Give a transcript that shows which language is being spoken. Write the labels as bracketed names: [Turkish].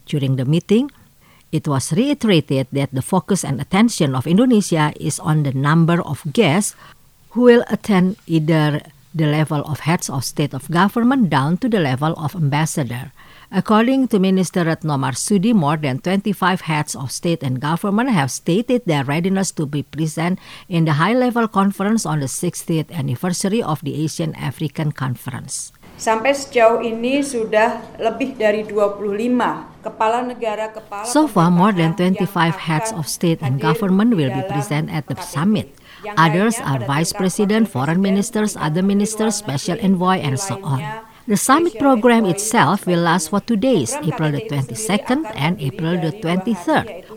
[English] During the meeting, it was reiterated that the focus and attention of Indonesia is on the number of guests who will attend either the level of heads of state of government down to the level of ambassador. According to Minister Retno Marsudi, more than 25 heads of state and government have stated their readiness to be present in the high-level conference on the 60th anniversary of the Asian-African Conference. [Indonesian] Sampai sejauh ini sudah lebih dari 25 kepala negara kepala. [English] So far, more than 25 heads of state and government will be present at the summit. Others are vice president, foreign ministers, other ministers, special envoy, and so on. The summit program itself will last for 2 days, April the 22nd and April the 23rd.